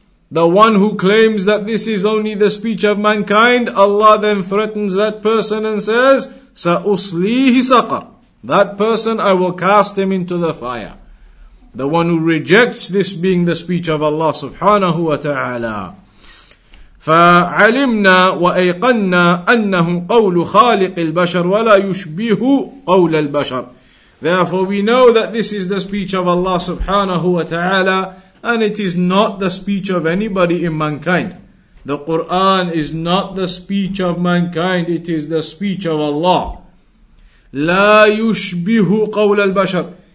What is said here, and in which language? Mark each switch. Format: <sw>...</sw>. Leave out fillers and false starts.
<en>The one who claims that this is only the speech of mankind, Allah then threatens that person and says,</en> <ar>سَأُسْلِيهِ سَقَرْ.</ar> <en>That person, I will cast him into the fire. The one who rejects this being the speech of Allah subhanahu wa ta'ala.</en> <ar>فعلمنا وأيقنا أنه قول خالق البشر ولا يشبه قول البشر.</ar> <en>Therefore we know that this is the speech of Allah subhanahu wa ta'ala, and it is not the speech of anybody in mankind. The Quran is not the speech of mankind, it is the speech of Allah.</en> <ar>لا يشبه قول البشر.</ar>